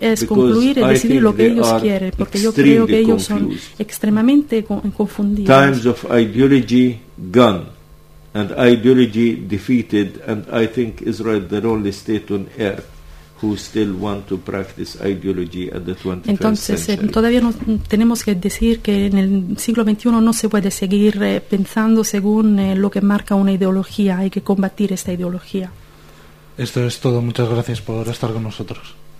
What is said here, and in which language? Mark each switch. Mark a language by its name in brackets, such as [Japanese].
[Spanish] Es concluir y decidir lo que ellos quieren, porque yo creo que ellos son extremadamente confundidos. [English] Times of ideology gone, and ideology defeated, and I think Israel the only state on earth who still want to practice ideology at the 21st century. [Spanish] Entonces, todavía no tenemos que decir que en el siglo 21 no se puede seguir pensando según lo que marca una ideología, hay que combatir esta ideología. Esto es todo, muchas gracias por estar con nosotros.